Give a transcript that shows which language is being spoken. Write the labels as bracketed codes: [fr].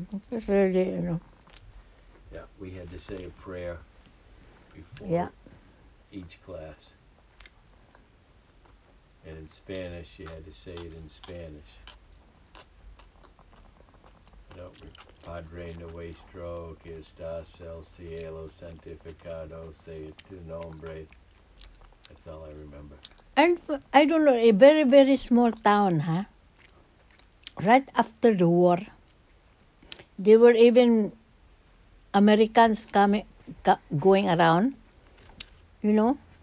[en] It's really, you know. Yeah, we had to say a prayer before each class. And in Spanish, you had to say it in Spanish. [es] Padre nuestro que estás en el cielo santificado sea tu nombre. [en] That's all I remember. And I don't know, a very, very small town, huh? Right after the war, there were even Americans going around, you know.